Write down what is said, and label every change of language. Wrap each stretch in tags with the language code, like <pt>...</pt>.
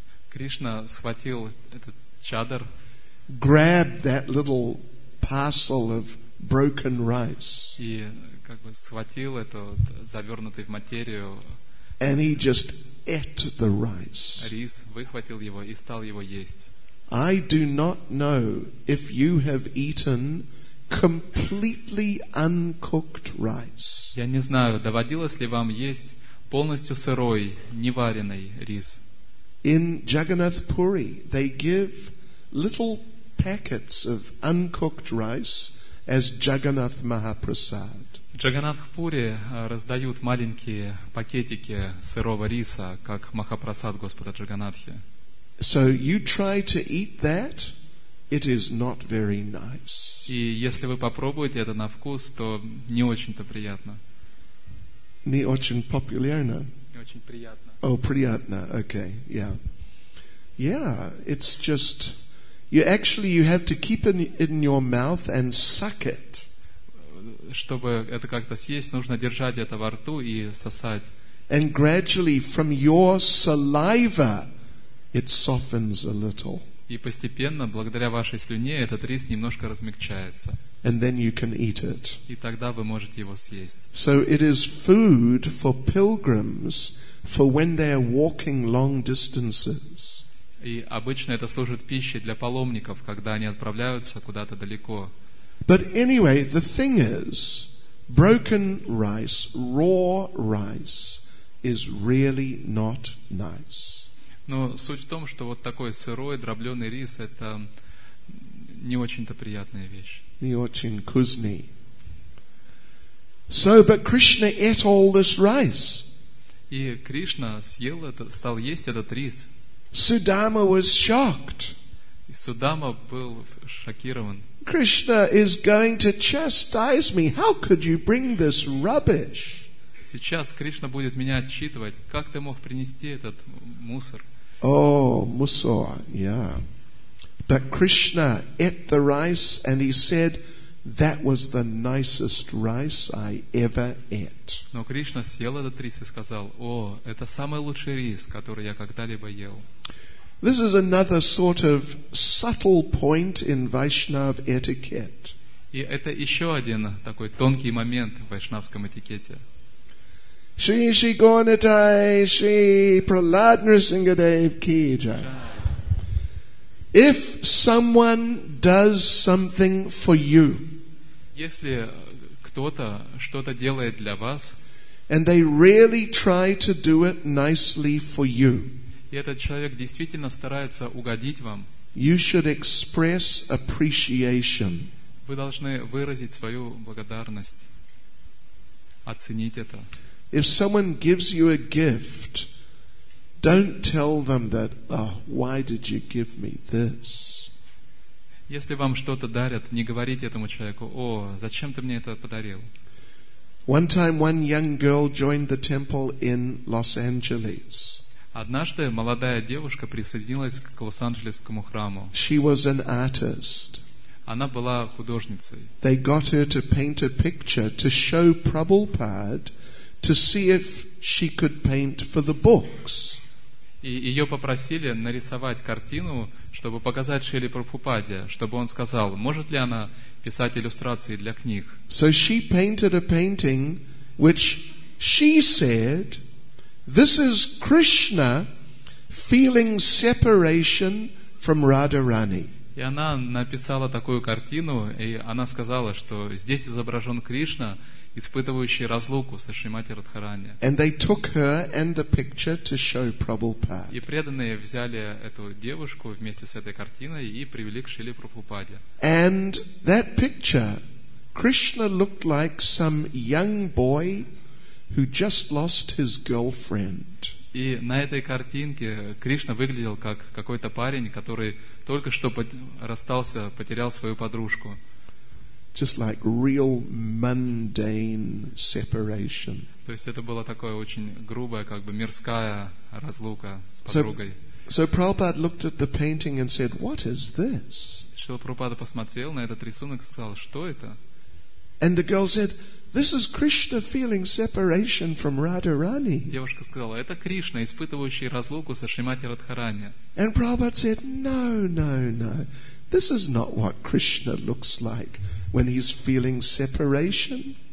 <ru>Кришна схватил этот чадар.</ru> <en>Grabbed that little parcel of broken rice.</en> <ru>И как бы схватил этот завернутый в материю.</ru> <en>And he just ate the rice.</en> <ru>Рис, выхватил его и стал его есть.</ru> <en>I do not know if you have eaten completely uncooked rice.</en> <ru>Я не знаю, доводилось ли вам есть полностью сырой, неваренный рис.</ru> <en>In Jagannath Puri, they give little packets of uncooked rice as Jagannath Mahaprasad.</en> <ru>В Джаганнатхпуре раздают маленькие пакетики сырого риса как махапрасад Господа Джаганнатхи.</ru> <en>So you try to eat that, it is not very nice.</en> <ru>И если вы попробуете это на вкус, то не очень-то приятно. Не очень популярно. Не очень приятно.</ru> <en>Oh,</en> <ru>приятно.</ru> <en>Okay, yeah. Yeah, it's just, you have to keep it in your mouth and suck it.</en> <ru>Чтобы это как-то съесть, нужно держать это во рту и сосать.</ru> <en>And gradually from your saliva, it softens a little.</en> <ru>И постепенно, благодаря вашей слюне, этот рис немножко размягчается.</ru> <en>And then you can eat it.</en> <ru>И тогда вы можете его съесть.</ru> <en>So it is food for pilgrims for when they are walking long distances.</en> <ru>И обычно это служит пищей для паломников, когда они отправляются куда-то далеко.</ru> <en>But anyway, the thing is, broken rice, raw rice, is really not nice.</en> <ru>Но суть в том, что вот такой сырой, дробленый рис, это не очень-то приятная вещь. Не очень вкусный.</ru> <en>So, but Krishna ate all this rice.</en> <ru>И Кришна съел это, стал есть этот рис.</ru> <en>Sudama was shocked.</en> <ru>И Судама был шокирован.</ru> <en>Krishna is going to chastise me. How could you bring this rubbish?</en> <ru>Сейчас Кришна будет меня отчитывать. Как ты мог принести этот мусор?</ru> <en>Oh,</en> <ru>мусор,</ru> <en>yeah. But Krishna ate the rice and he said, "That was the nicest rice I ever ate."</en> <ru>Но Кришна съел этот рис и сказал: "О, это самый лучший рис, который я когда-либо ел."</ru> <en>This is another sort of subtle point in Vaishnav etiquette.</en> <ru>И это еще один такой тонкий момент в вайшнавском этикете.</ru> <hi>Shri Shri Gaunatai, Shri Prahlad Nrisingadev Ki Jai.</hi> <en>If someone does something for you,</en> <ru>если кто-то что-то делает для вас,</ru> <en>and they really try to do it nicely for you,</en> <ru>и этот человек действительно старается угодить вам,</ru> <en>you should express appreciation.</en> <ru>Вы должны выразить свою благодарность, оценить это.</ru> <en>If someone gives you a gift, don't tell them that, "Oh, why did you give me this?"</en> <ru>Если вам что-то дарят, не говорите этому человеку: "О, зачем ты мне это подарил?"</ru> <en>One time one young girl joined the temple in Los Angeles.</en> <ru>Однажды молодая девушка присоединилась к Лос-Анджелесскому храму.</ru> <en>She was an artist.</en> <ru>Она была художницей.</ru> <en>They got her to paint a picture to show Prabhupada to see if she could paint for the books.</en> <ru>И ее попросили нарисовать картину, чтобы показать Шриле Прабхупаде, чтобы он сказал, может ли она писать иллюстрации для книг.</ru> <en>So she painted a painting which she said, "This is Krishna feeling separation from Radharani."</en> <ru>И она написала такую картину, и она сказала, что здесь изображен Кришна, испытывающий разлуку со Шримати Радхарани.</ru> <en>And they took her and the picture to show Prabhupada.</en> <ru>И преданные взяли эту девушку вместе с этой картиной и привели к Шриле Прабхупаде.</ru> <en>And that picture, Krishna looked like some young boy who just lost his girlfriend.</en> <ru>И на этой картинке Кришна выглядел как какой-то парень, который только что расстался, потерял свою подружку.</ru> <en>Just like real mundane separation.</en> <ru>То есть это была такая очень грубая, как бы мирская разлука с подругой.</ru> <en>So Prabhupada looked at the painting and said, "What is this?"</en> <ru>Шрила Прабхупада посмотрел на этот рисунок и сказал, что это?</ru> <en>And the girl said, "This is Krishna feeling separation from Radharani."</en> <ru>Девушка сказала, это Кришна, испытывающий разлуку со Шримати Радхарани.</ru> <en>And Prabhupada said, "No, no, no. This is not what Krishna looks like when he's feeling separation."</en>